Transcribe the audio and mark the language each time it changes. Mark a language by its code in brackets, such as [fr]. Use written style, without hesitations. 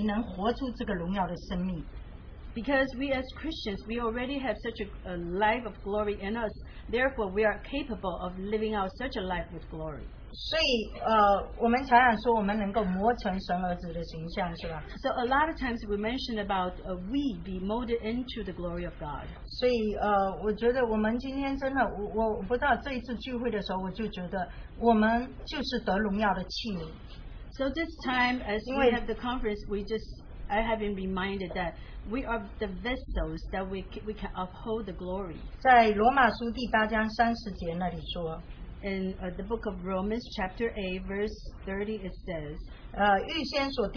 [zh] 就是我们基督徒有主的生命，主的灵在你里面，你能活出这个荣耀的生命。 [en] Because we as Christians, we already have such a life of glory in us. Therefore, we are capable of living out such a life with glory. [zh] 所以我们常常说我们能够磨成神儿子的形象，是吧？ [en] So a lot of times we mention about we be molded into the glory of God. [zh] 所以我觉得我们今天真的，我不知道这一次聚会的时候，我就觉得我们就是得荣耀的器皿。So [en] this time, as we have the conference, I have been reminded that we are the vessels that we can uphold the glory. [zh] 在罗马书第八章三十节那里说。 [en] In the book of Romans, chapter 8, verse 30, it says,